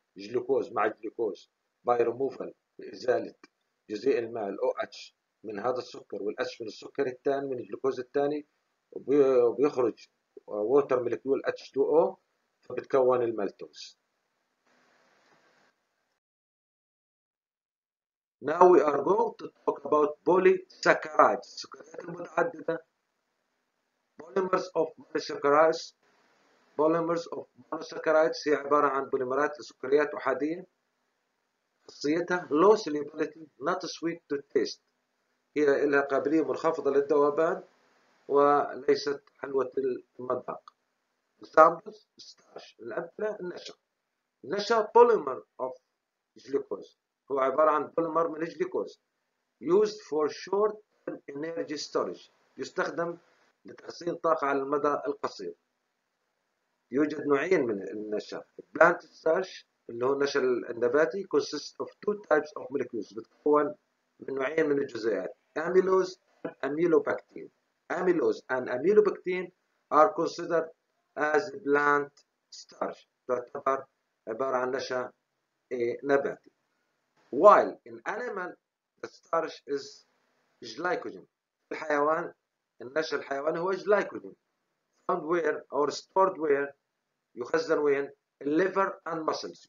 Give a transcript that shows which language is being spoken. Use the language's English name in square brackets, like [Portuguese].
[Arabic] جلوكوز مع جلوكوز [English] by removal [Arabic] بإزالة جزيء الماء الـ OH من هذا السكر والـ H من السكر الثاني من الجلوكوز الثاني. وبيخرج [English] water molecule [Arabic] H2O فبتكون المالتوز. [English] Now we are going to talk about polysaccharides. [Arabic] السكريات المتعددة. [English] Polymers of polysaccharides. Polymers of monosaccharides [Arabic] هي عبارة عن بوليمرات لسكريات أحادية. خاصيتها [English] low solubility, not sweet to taste. [Arabic] هي لها قابلية منخفضة للذوبان وليست حلوة المذاق. [English] Examples starch. [Arabic] الأمثلة النشا. النشا [English] polymer of glucose. [Arabic] هو عبارة عن polymer من الجلوكوز. [English] Used for short energy storage. [Arabic] يستخدم لتخزين طاقة على المدى القصير. يوجد نوعين من النشا. [English] Plant starch [Arabic] اللي هو النشا النباتي [English] consists of two types of molecules. [Arabic] بتكون من نوعين من الجزيئات. [English] Amylose and amylopectin. Amylose and amylopectin are considered as plant starch. [Arabic] تعتبر عبارة عن نشا نباتي. [English] While in animal the starch is glycogen. [Arabic] في الحيوان النشا الحيواني هو glycogen. [English] Found where or stored where? [Arabic] يخزن وين؟ [English] Liver and muscles.